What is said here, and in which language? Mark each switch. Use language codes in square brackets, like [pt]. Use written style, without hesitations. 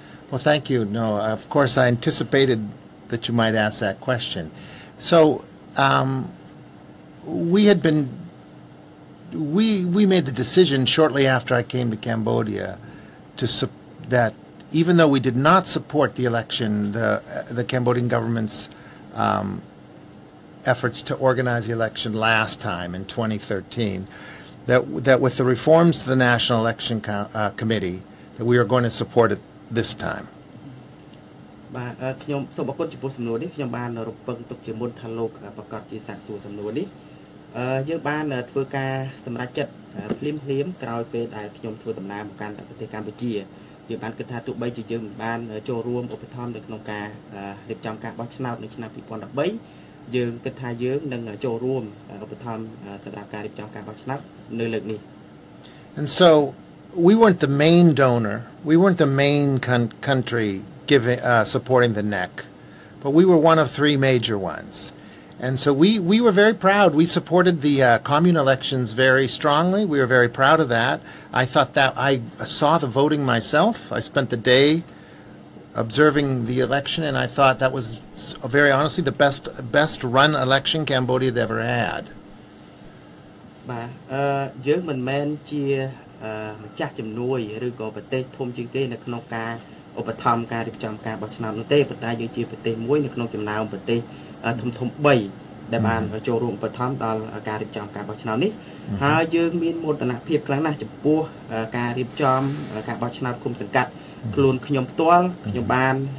[en] Well thank you no of course I anticipated that you might ask that question so we made the decision shortly after I came to Cambodia that even though we did not support the election the Cambodian government's efforts to organize the election last time in 2013 that with the reforms to the National Election Committee that we are going to support it this time [km] បាទខ្ញុំសូមអរគុណចំពោះសំណួរនេះខ្ញុំបានរំពឹងទុកជាមុនថាលោកប្រកាសជាសាកសួរសំណួរនេះយើងបានធ្វើការសម្រេចចិត្តភ្លាមក្រោយពេលដែលខ្ញុំធ្វើដំណើរមកកាន់ប្រទេសកម្ពុជាយើងបានគិតថាទោះបីជាយើងបានចូលរួមឧបត្ថម្ភនៅក្នុងការរៀបចំការបោះឆ្នោតនៅឆ្នាំ2013យើងគិតថាយើងនឹងចូលរួមឧបត្ថម្ភសម្រាប់ការរៀបចំការបោះឆ្នោតនៅលើកនេះ [en] And so we weren't the main donor we weren't the main country supporting the NEC but we were one of three major ones and so we were very proud we supported the commune elections very strongly we were very proud of that I thought that I saw the voting myself I spent the day observing the election and I thought that was very honestly the best run election Cambodia had ever had [km] បាទយើងមិនមែនជាម្ចាស់ជំនួយឬក៏ប្រទេសធំជាងគេនៅក្នុងការឧបត្ថម្ភការរៀបចំការបោះឆ្នោតនោះទេប៉ុន្តែយើងជាប្រទេសមួយនៅក្នុងចំណោមប្រទេសធំៗ3ដែលបានចូលរួមឧបត្ថម្ភដល់ការរៀបចំការបោះឆ្នោតនេះហើយយើងមានមោទនភាពខ្លាំងណាស់ចំពោះការរៀបចំការបោះឆ្នោតគុំសង្កាត់ខ្លួនខ្ញុំផ្ទាល់ខ្ញុំបាន